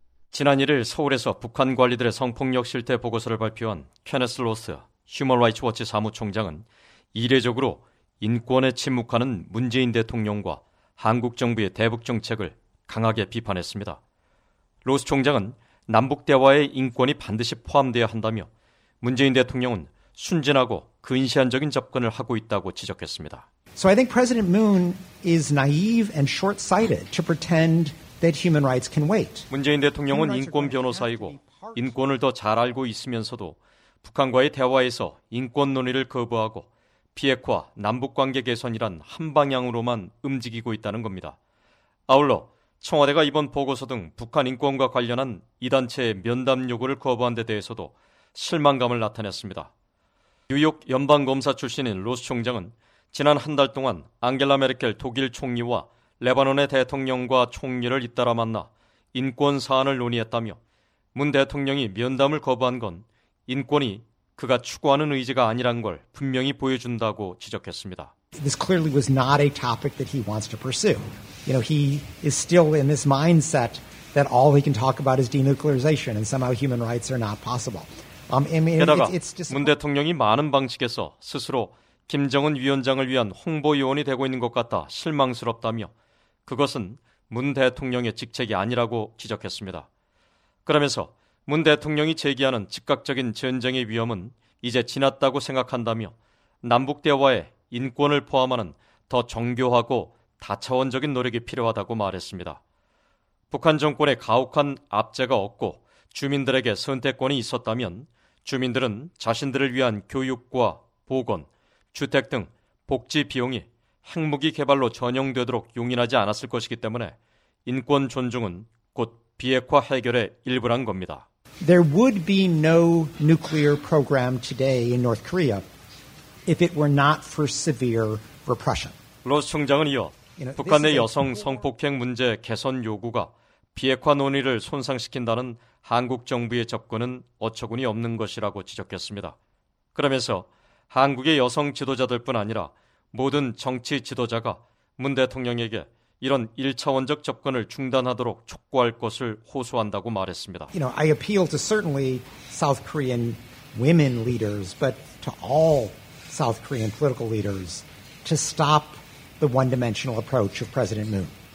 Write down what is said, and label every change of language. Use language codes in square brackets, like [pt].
[ko] 지난 1일 서울에서 북한 관리들의 성폭력 실태 보고서를 발표한 케네스 로스 휴먼 라이츠 워치 사무총장은 이례적으로 인권에 침묵하는 문재인 대통령과 한국 정부의 대북 정책을 강하게 비판했습니다. 로스 총장은 남북 대화에 인권이 반드시 포함되어야 한다며 문재인 대통령은 순진하고 근시안적인 접근을 하고 있다고 지적했습니다. [en] So I think President Moon is naive and short-sighted to pretend that human rights can wait. [ko] 문재인 대통령은 인권 변호사이고 인권을 더 잘 알고 있으면서도 북한과의 대화에서 인권 논의를 거부하고 비핵화, 남북관계 개선이란 한 방향으로만 움직이고 있다는 겁니다. 아울러 청와대가 이번 보고서 등 북한 인권과 관련한 이 단체의 면담 요구를 거부한 데 대해서도 실망감을 나타냈습니다. 뉴욕 연방검사 출신인 로스 총장은 지난 한 달 동안 앙겔라 메르켈 독일 총리와 레바논의 대통령과 총리를 잇따라 만나 인권 사안을 논의했다며 문 대통령이 면담을 거부한 건 인권이 그가 추구하는 의지가 아니란 걸 분명히 보여준다고 지적했습니다. [en] This clearly was not a topic that he wants to pursue. You know, he is still in this mindset that all he can talk about is denuclearization and somehow human rights are not possible. [ko] 게다가 문 대통령이 많은 방식에서 스스로 김정은 위원장을 위한 홍보 요원이 되고 있는 것 같아 실망스럽다며 그것은 문 대통령의 직책이 아니라고 지적했습니다. 그러면서 문 대통령이 제기하는 즉각적인 전쟁의 위험은 이제 지났다고 생각한다며 남북 대화에 인권을 포함하는 더 정교하고 다차원적인 노력이 필요하다고 말했습니다. 북한 정권의 가혹한 압제가 없고 주민들에게 선택권이 있었다면 주민들은 자신들을 위한 교육과 보건, 주택 등 복지 비용이 핵무기 개발로 전용되도록 용인하지 않았을 것이기 때문에 인권 존중은 곧 비핵화 해결의 일부란 겁니다. [en] There would be no nuclear program today in North Korea if it were not for severe repression. [ko] 로스 총장은 이어 북한 내 여성 성폭행 문제 개선 요구가 비핵화 논의를 손상시킨다는 한국 정부의 접근은 어처구니 없는 것이라고 지적했습니다. 그러면서 한국의 여성 지도자들뿐 아니라 모든 정치 지도자가 문 대통령에게 이런 일차원적 접근을 중단하도록 촉구할 것을 호소한다고 말했습니다. [en] You know, I appeal to certainly South Korean women leaders, but to all South Korean political leaders to stop the one-dimensional approach of President Moon.